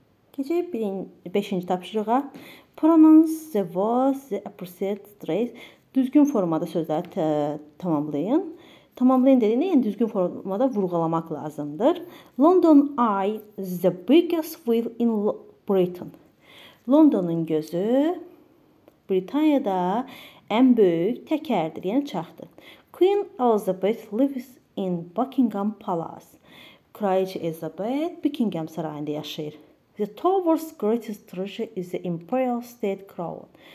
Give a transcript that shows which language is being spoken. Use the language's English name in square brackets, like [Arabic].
[Azerbaijani] Keçək 5-ci tapşırığa. [English] Pronounce the words, the appropriate phrase. [Azerbaijani] Düzgün formada sözləri tamamlayın. Tamamlayın dediğinde yani düzgün formada vurgulamak lazımdır. [English] London Eye is the biggest wheel in Britain. [Azerbaijani] London'un gözü Britanya'da en büyük tekerdir, yani çaxdır. [English] Queen Elizabeth lives in Buckingham Palace. [Azerbaijani] Kraliçə Elizabeth Buckingham Sarayında yaşayır. [English] The Tower's greatest treasure is the Imperial State Crown.